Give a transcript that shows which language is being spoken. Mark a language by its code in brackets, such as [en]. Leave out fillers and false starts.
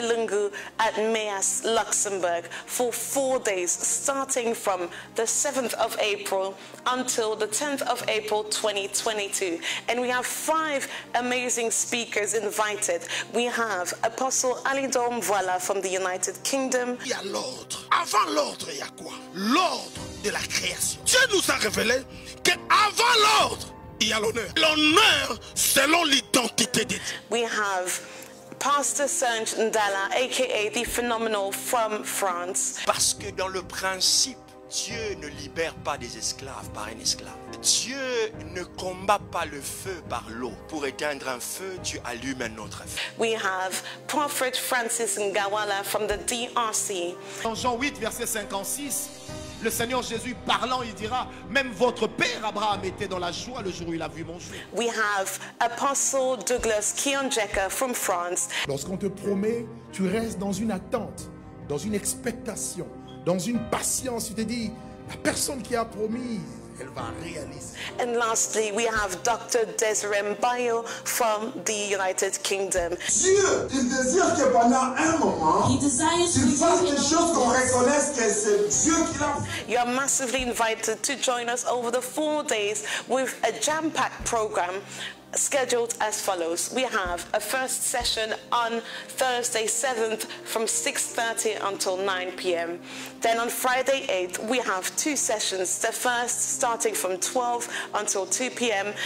[en] Lungu at Meas, Luxembourg for 4 days starting from the 7th of April until the 10th of April 2022. And we have 5 amazing speakers invited. We have Apostle Alidor Mvuala from the United Kingdom. [fr] Il y a l'ordre. Avant l'ordre, il y a quoi? L'ordre de la création. Dieu nous a révélé que avant l'ordre, il y a l'honneur. L'honneur selon l'identité de Dieu. [en] We have Pastor Serge Ndala, aka The Phenomenal from France. [fr] Parce que dans le principe, Dieu ne libère pas des esclaves par un esclave. Dieu ne combat pas le feu par l'eau. Pour éteindre un feu, tu allumes un autre feu. [en] We have Prophet Francis Ngawala from the DRC. [fr] Dans Jean 8, verset 56, le Seigneur Jésus parlant, il dira, même votre père Abraham était dans la joie le jour où il a vu mon jour. [en] We have Apostle Douglas Kionjeka from France. [fr] Lorsqu'on te promet, tu restes dans une attente, dans une expectation, dans une patience. Tu te dis, la personne qui a promis, elle va réaliser. [en] And lastly, we have Dr. Desiree Mbayo from the United Kingdom. [fr] Dieu, il désire que pendant un moment, tu fasses des choses qu'on reconnaisse que c'est Dieu qui l'a. [en] You are massively invited to join us over the 4 days with a jam-packed program scheduled as follows. We have a first session on Thursday 7th from 6:30 until 9 p.m. Then on Friday 8th, we have 2 sessions. The first starting from 12 until 2 p.m.